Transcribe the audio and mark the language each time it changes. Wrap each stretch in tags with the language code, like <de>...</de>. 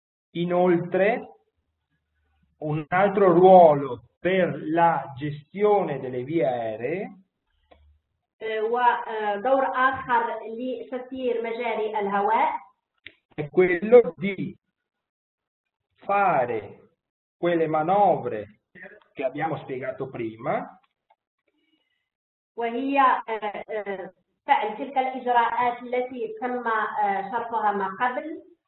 <it>Inoltre, un altro ruolo per la gestione delle vie aeree.</it> <ar>ودور آخر لتسيير مجاري الهواء.</ar> <it>È quello di fare quelle manovre che abbiamo spiegato prima.</it> <ar>وهي فعل تلك الإجراءات التي تم شرحها ما قبل.</ar>